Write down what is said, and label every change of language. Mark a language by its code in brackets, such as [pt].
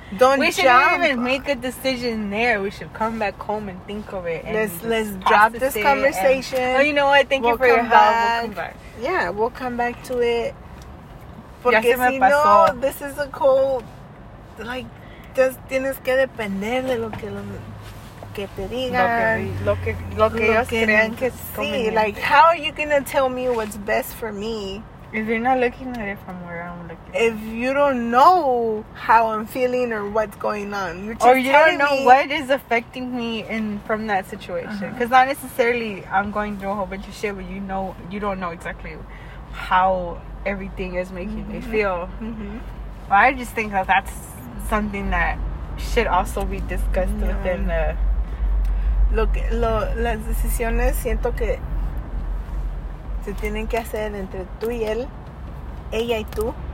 [en] Don't we should even make a decision there. We should come back home and think of it. Let's drop this conversation. Oh, you know what? Thank you for your help. We'll come back. Yeah, we'll come back to it. [es] Porque si no, [en] this is a cold, like. Just [es] tienes que depender de lo que te digan. Lo que ellos crean que sí. [en] Like, how are you going to tell me what's best for me? If you're not looking at it from where I'm looking. If you don't know how I'm feeling or what's going on. You're just telling me. Or you don't know what is affecting me from that situation. Because not necessarily I'm going through a whole bunch of shit, but you don't know exactly how everything is making mm-hmm. me feel. Mm-hmm. But I just think that's something that should also be discussed within the [es] las decisiones siento que se tienen que hacer entre tú y él, ella y tú.